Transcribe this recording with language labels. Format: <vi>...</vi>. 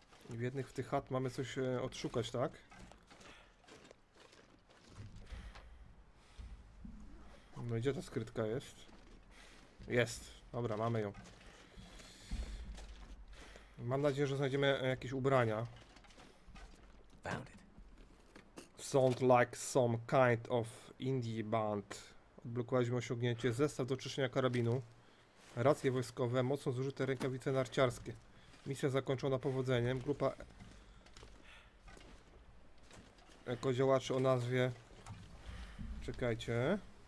<pl>I w jednych z tych chat mamy coś odszukać, tak? No gdzie ta skrytka jest? Jest! Dobra, mamy ją. Mam nadzieję, że znajdziemy jakieś ubrania.</pl> <en>Found it. Sound like some kind of indie band.</en> <pl>Odblokowaliśmy osiągnięcie. Zestaw do czyszczenia karabinu. Racje wojskowe. Mocno zużyte rękawice narciarskie. Misja zakończona powodzeniem. Grupa ekodziałaczy o nazwie... Czekajcie.</pl>